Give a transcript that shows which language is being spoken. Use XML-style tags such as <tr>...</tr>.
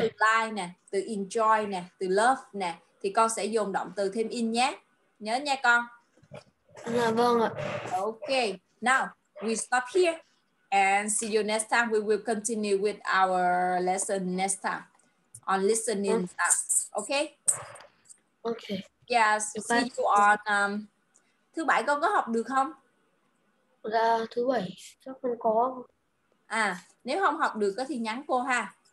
<vi>Từ like nè, từ enjoy nè, từ love nè. Thì con sẽ dùng động từ thêm in nhé. Nhớ nha con.</vi> <en>Okay, now we stop here and see you next time. We will continue with our lesson next time on listening tasks. Okay? Okay. Yes, see you on</en> <vi>thứ bảy con có học được không? Dạ, thứ bảy chắc không có. À, nếu không học được thì nhắn cô ha.</vi>